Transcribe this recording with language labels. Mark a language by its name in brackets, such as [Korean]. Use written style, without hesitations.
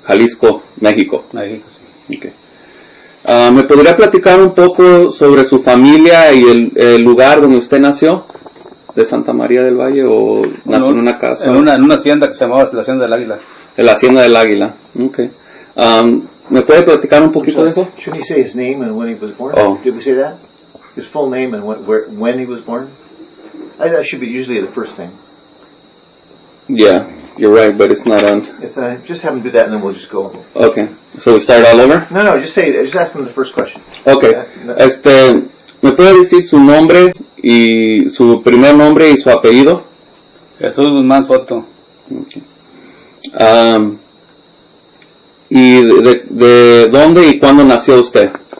[Spanish] Jalisco, México. México, sí. Okay. ¿Me podría platicar un poco sobre su familia y el lugar donde usted nació? ¿De Santa María del Valle o nació en una casa? En una hacienda que se llamaba la Hacienda del Águila. De la Hacienda del Águila, ok. ¿Me puede platicar un poquito de eso? [English] Should he say his name and when he was born? Oh. Did we say that? His full name and when he was born? That should be usually the first thing. Yeah, you're right, but it's not on. Just have him do that and then we'll just go. Okay, so we start all over? No, just ask him the first question. [Spanish] Okay, ¿me puede decir su nombre y su primer nombre y su apellido? Jesús Guzmán Soto. Okay. ¿Y de dónde y cuándo nació usted?